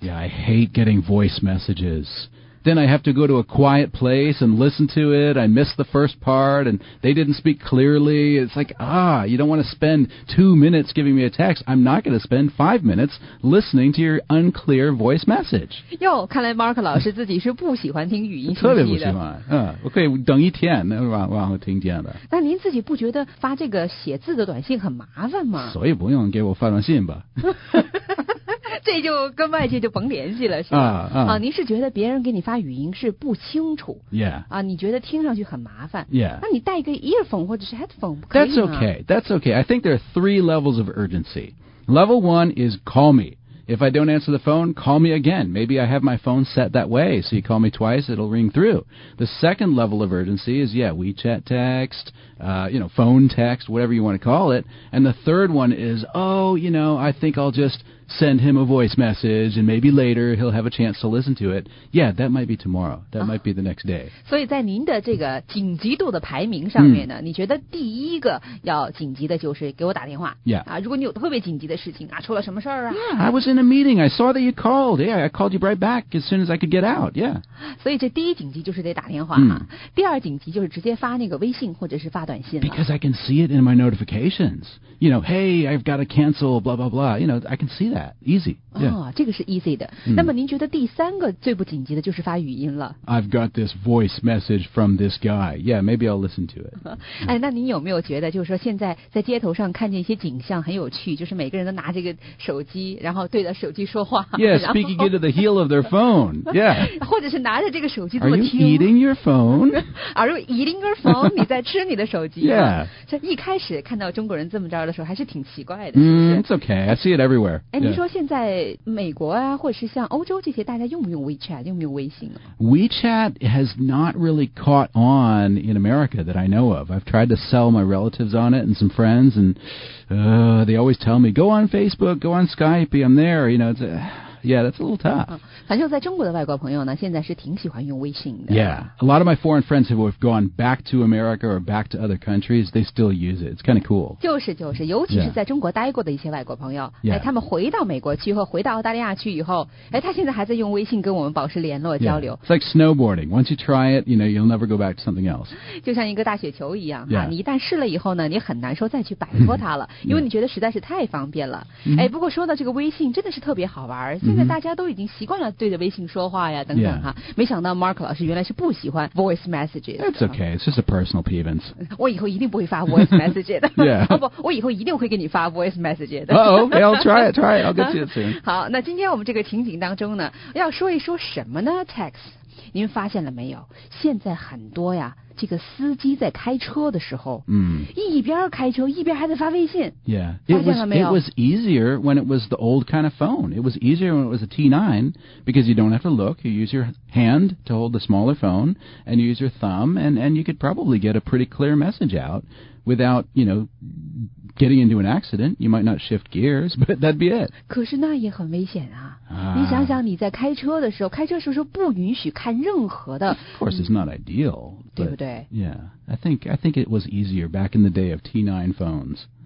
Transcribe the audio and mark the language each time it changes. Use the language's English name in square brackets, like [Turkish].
[English] Yeah, I hate getting voice messages. Then I have to go to a quiet place and listen to it. I missed the first part and they didn't speak clearly. It's like, you don't want to spend 2 minutes giving me a text. I'm not going to spend 5 minutes listening to your unclear voice message. [Chinese] 哟，看来 Mark 老师自己是不喜欢听语音信息的。特别不喜欢。我可以等一天，然后听见的。那您自己不觉得发这个写字的短信很麻烦吗？所以不用给我发短信吧。这就跟外界就甭联系了，是吧？您是觉得别人给你发语音是不清楚 [English] ？Yeah. [Chinese] 你觉得听上去很麻烦 [English] ？Yeah. [Chinese] 那你戴一个 earphone 或者是 headphone 不可以 [English] 吗 ？That's okay. That's okay. I think there are three levels of urgency. Level one is call me. If I don't answer the phone, call me again. Maybe I have my phone set that way, so you call me twice, it'll ring through. The second level of urgency is WeChat text. Phone text, whatever you want to call it. And the third one is, I think I'll just send him a voice message, and maybe later he'll have a chance to listen to it. Yeah, that might be tomorrow. That might be the next day. [Chinese] 所以在您的这个紧急度的排名上面呢，你觉得第一个要紧急的就是给我打电话。 [English] Yeah. [Chinese] 啊，如果你有特别紧急的事情啊，出了什么事儿啊 [English] ？Yeah, I was in a meeting. I saw that you called. Yeah, I called you right back as soon as I could get out. Yeah. [Chinese] 所以这第一紧急就是得打电话。第二紧急就是直接发那个微信或者是发短信了。 [English] Because I can see it in my notifications. You know, hey, I've got to cancel. Blah blah blah. You know, I can see that. Easy. Yeah. [Chinese] 哦，这个是 easy 的。那么您觉得第三个最不紧急的就是发语音了。 [English] I've got this voice message from this guy. Yeah, maybe I'll listen to it. [Chinese] 哎，那您有没有觉得就是说现在在街头上看见一些景象很有趣，就是每个人都拿这个手机，然后对着手机说话。 [English] Yeah, speaking into the heel of their phone. Yeah. [Chinese] 或者是拿着这个手机这么听。 [English] Are you eating your phone? Are you eating your phone? [Chinese] 你在吃你的手机。 [English] Yeah. [Chinese] 这一开始看到中国人这么着的时候，还是挺奇怪的。 [English] It's okay. I see it everywhere. [Chinese] 哎，您说现在美国啊，或者是像欧洲这些，大家用不用 WeChat？ 用不用微信啊 [English] ？WeChat has not really caught on in America that I know of. I've tried to sell my relatives on it and some friends, and they always tell me, "Go on Facebook, go on Skype. I'm there." You know, it's yeah, that's a little tough. [Chinese] 反正在中国的外国朋友呢，现在是挺喜欢用微信的。 [English] Yeah, a lot of my foreign friends who have gone back to America or back to other countries, they still use it. It's kind of cool. [Chinese] 就是就是，尤其是在中国待过的一些外国朋友， [English] yeah. [Chinese] 哎，他们回到美国去或回到澳大利亚去以后，哎，他现在还在用微信跟我们保持联络交流。 [English] Yeah. It's like snowboarding. Once you try it, you know you'll never go back to something else. [Chinese] 就像一个大雪球一样， [English] yeah. [Chinese] 你一旦试了以后呢，你很难说再去摆脱它了，因为你觉得实在是太方便了。 Mm-hmm. 哎，不过说到这个微信，真的是特别好玩。现在大家都已经习惯了对着微信说话呀，等等哈。 [English] Yeah. [Chinese] 没想到 Mark 老师原来是不喜欢 [English] voice messages。 It's okay, it's just a personal peeve. [Chinese] 我以后一定不会发 [English] voice message [Chinese] 的。 [English] Yeah. [Chinese] 啊不，我以后一定会给你发 [English] voice message [Chinese] 的。 [English] Oh, I'll try it, try it. I'll get you soon. [Chinese] 好，那今天我们这个情景当中呢，要说一说什么呢 ？Text， 您发现了没有？现在很多呀，这个司机在开车的时候，一边开车一边还在发微信。 [English] Yeah, [Chinese] 发现了没有 [English] ？It was easier when it was the old kind of phone. It was easier when it was a T9 because you don't have to look. You use your hand to hold the smaller phone and you use your thumb, and you could probably get a pretty clear message out without, you know, getting into an accident. You might not shift gears, but that'd be it. [Chinese] 可是那也很危险啊。你想想，你在开车的时候，开车的时候不允许看任何的。 [English] Of course, it's not ideal, but, [Chinese] 对不对 [English] ？Yeah, I think it was easier back in the day of T9 phones.